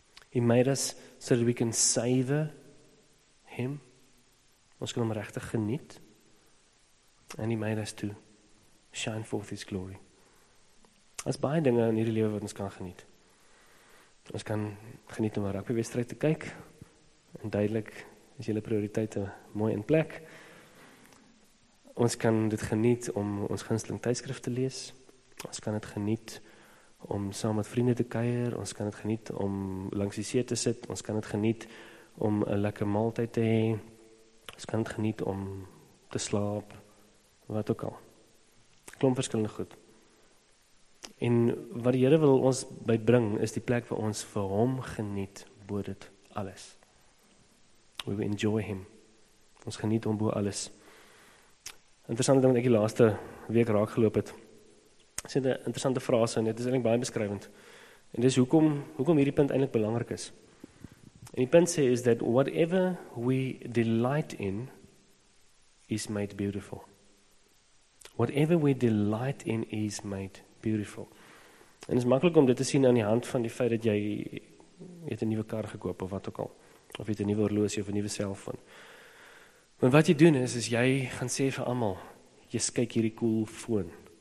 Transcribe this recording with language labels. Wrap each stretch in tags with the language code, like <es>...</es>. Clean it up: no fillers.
<en>He made us so that we can savor him.</en> <af>Ons kan hom regtig geniet.</af> <en>And he made us to shine forth his glory.</en> <af>Daar is baie dinge in hierdie lewe wat ons kan geniet. Ons kan geniet om 'n rugbywedstryd te kyk, en duidelik is julle prioriteite mooi in plek. Ons kan dit geniet om ons gunsteling tydskrif te lees. Ons kan dit geniet om saam met vriende te kuier. Ons kan dit geniet om langs die see te sit. Ons kan dit geniet om 'n lekker maaltyd te hê. Ons kan dit geniet om te slaap, wat ook al. Klomp verskillende goed. En wat die Here wil ons bybring, is die plek waar ons vir hom geniet, bo dit alles.</af> <en>We will enjoy him.</en> <af>Ons geniet hom bo alles. Interessante ding wat ek die laaste week raak geloop het, is dit 'n interessante frase, en dit is eintlik baie beskrywend. En dit is hoekom hierdie punt eintlik belangrik is. En die punt sê is</af> <en>that whatever we delight in is made beautiful. Whatever we delight in is made beautiful.</en> <af>En het is makkelijk om dit te sien aan die hand van die feit dat jy het een nieuwe kar gekoop of wat ook al. Of jy het een nieuwe horloge of een nieuwe cellfoon. Want wat jy doen is jy gaan sê vir allemaal, jy kyk hierdie cool foon.</af>